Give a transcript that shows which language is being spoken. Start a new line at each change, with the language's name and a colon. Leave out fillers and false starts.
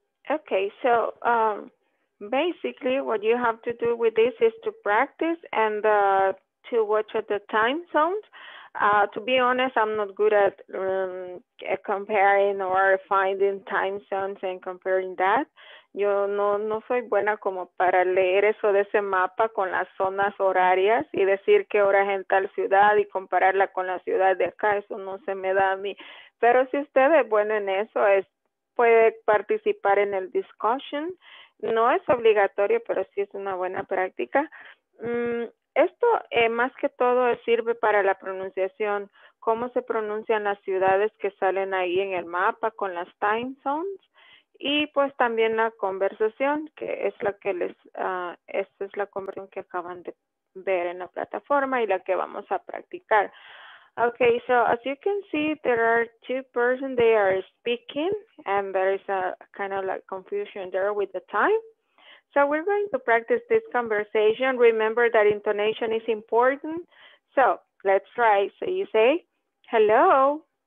English: Okay, so basically what you have to do with this is to practice and to watch at the time zones. To be honest, I'm not good at comparing or finding time zones and comparing that.
Spanish: Yo no soy buena como para leer eso de ese mapa con las zonas horarias y decir qué hora es en tal ciudad y compararla con la ciudad de acá. Eso no se me da a mí. Pero si usted es bueno en eso, puede participar en el discussion. No es obligatorio, pero sí es una buena práctica. Esto más que todo sirve para la pronunciación, cómo se pronuncian las ciudades que salen ahí en el mapa con las time zones, y pues también la conversación, que es la conversación que acaban de ver en la plataforma y la que vamos a practicar.
English: Okay, so as you can see, there are two persons, they are speaking, and there is a kind of like confusion there with the time. So we're going to practice this conversation. Remember that intonation is important. So let's try. So you say, hello.